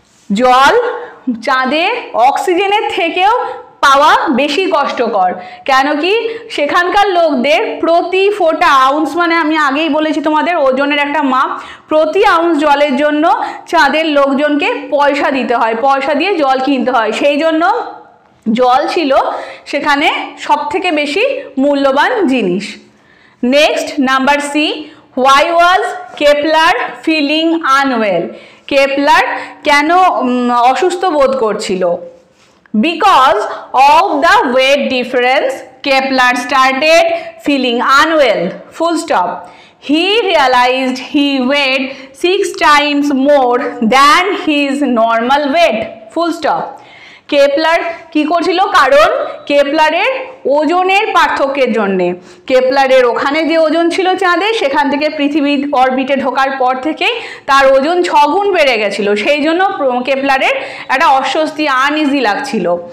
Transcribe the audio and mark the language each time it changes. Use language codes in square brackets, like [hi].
[bn] জল চাঁদে অক্সিজেনের থেকেও পাওয়া বেশি কষ্টকর, কেন কি সেখানকার লোকদের প্রতি ফোঁটা, আউন্স মানে আমি আগেই বলেছি তোমাদের ওজনের একটা মাপ, প্রতি আউন্স জলের জন্য চাঁদের লোকজনকে পয়সা দিতে হয়, পয়সা দিয়ে জল কিনতে হয়, সেই জন্য জল ছিল সেখানে সব থেকে বেশি মূল্যবান জিনিস। [en] Next number C, why was Kepler feeling unwell? [bn] Kepler কেন অসুস্থ বোধ করছিল? [en] Because of the weight difference, Kepler started feeling unwell. Full stop. He realized he weighed 6 times more than his normal weight. Full stop. [bn] Kepler কি করছিল? কারণ কেপলারের ওজনের পার্থক্যের জন্যে, কেপলারের ওখানে যে ওজন ছিল চাঁদে, সেখান থেকে পৃথিবীর অরবিটে ঢোকার পর থেকে তার ওজন 6 গুণ বেড়ে গেছিলো, সেই জন্য কেপলারের একটা অস্বস্তি, আনইজি লাগছিল।